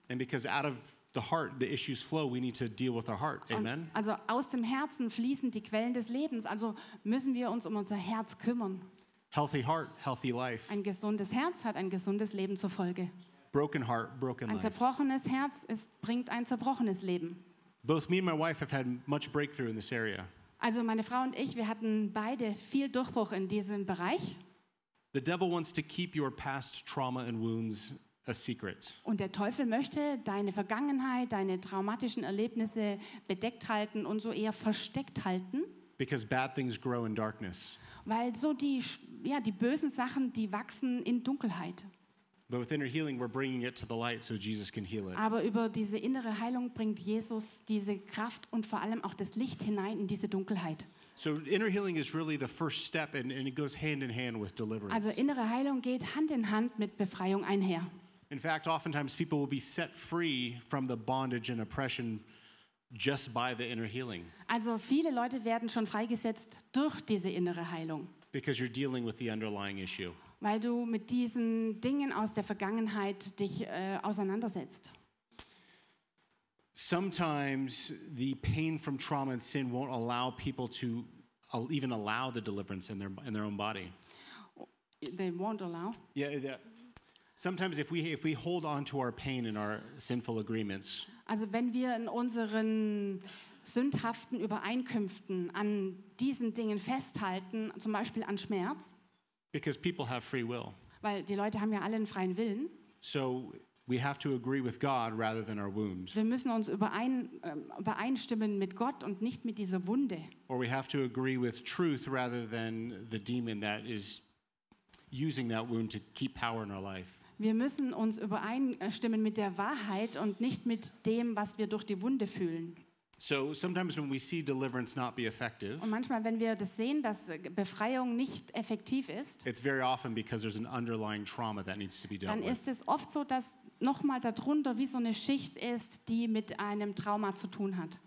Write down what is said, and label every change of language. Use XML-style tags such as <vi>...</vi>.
<en>And because out of the heart the issues flow, we need to deal with our heart. Amen.</en> <de>Also aus dem Herzen fließen die Quellen des Lebens, also müssen wir uns um unser Herz kümmern.</de> <en>Healthy heart, healthy life.</en> <de>Ein gesundes Herz hat ein gesundes Leben zur Folge.</de> <en>Broken heart, broken life.</en> <de>Ein zerbrochenes Herz bringt ein zerbrochenes Leben.</de> <en>Both me and my wife have had much breakthrough in this area.</en> <de>Also meine Frau und ich, wir hatten beide viel Durchbruch in diesem Bereich.</de> <en>The devil wants to keep your past trauma and wounds a secret.</en> <de>Und der Teufel möchte deine Vergangenheit, deine traumatischen Erlebnisse bedeckt halten und so eher versteckt halten.</de> <en>Because bad things grow in darkness.</en> <de>Weil so die bösen Sachen, die wachsen in Dunkelheit.</de> <en>But with inner healing, we're bringing it to the light, so Jesus can heal it.</en> <de>Aber über diese innere Heilung bringt Jesus diese Kraft und vor allem auch das Licht hinein in diese Dunkelheit.</de> <en>So inner healing is really the first step, and it goes hand in hand with deliverance.</en> <de>Also innere Heilung geht Hand in Hand mit Befreiung einher.</de> <en>In fact, oftentimes people will be set free from the bondage and oppression just by the inner healing.</en> <de>Also viele Leute werden schon freigesetzt durch diese innere Heilung.</de> <en>Because you're dealing with the underlying issue.</en> <de>Weil du mit diesen Dingen aus der Vergangenheit dich auseinandersetzt.</de> <en>Sometimes the pain from trauma and sin won't allow people to even allow the deliverance in their own body. They won't allow. Yeah, sometimes if we hold on to our pain in our sinful agreements.</en> <de>Also wenn wir in unseren sündhaften Übereinkünften an diesen Dingen festhalten, zum Beispiel an Schmerz.</de> <en>Because people have free will.</en> <de>Weil die Leute haben ja alle einen freien Willen.</de> <en>So we have to agree with God rather than our wound.</en> <de>Wir müssen uns übereinstimmen mit Gott und nicht mit dieser Wunde.</de> <en>Or we have to agree with truth rather than the demon that is using that wound to keep power in our life.</en> <de>Wir müssen uns übereinstimmen mit der Wahrheit und nicht mit dem, was wir durch die Wunde fühlen.</de> <en>So sometimes when we see deliverance not be effective.</en> <de>Und manchmal wenn wir das sehen, dass Befreiung nicht effektiv ist.</de> <en>It's very often because there's an underlying trauma that needs to be dealt with.</en> <de>Dann ist es oft so, dass noch mal darunter wie so eine Schicht ist, die mit einem Trauma zu tun hat.</de>